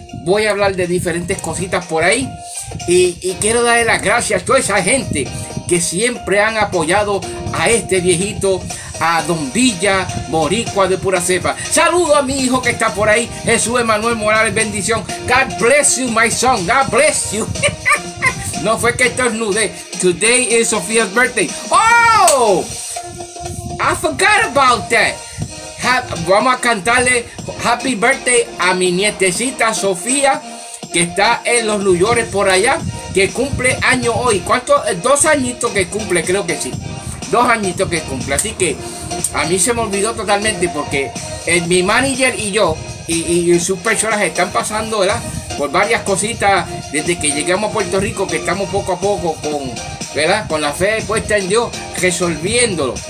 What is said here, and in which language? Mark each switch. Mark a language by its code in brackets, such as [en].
[es] Voy a hablar de diferentes cositas por ahí. Y quiero darle las gracias a toda esa gente que siempre han apoyado a este viejito, a Don Villa, boricua de pura cepa. Saludo a mi hijo que está por ahí, Jesús Emanuel Morales, bendición. [en] God bless you, my son, God bless you. [es] No fue que estornude. [en] Today is Sofía's birthday. Oh, I forgot about that. [es] Vamos a cantarle [en] happy birthday [es] a mi nietecita Sofía, que está en los Luyores por allá, que cumple año hoy. ¿Cuánto? 2 añitos que cumple, creo que sí. 2 añitos que cumple. Así que a mí se me olvidó totalmente porque mi manager y yo y sus personas están pasando, ¿verdad?, por varias cositas desde que llegamos a Puerto Rico, que estamos poco a poco con, ¿verdad?, con la fe puesta en Dios, resolviéndolo.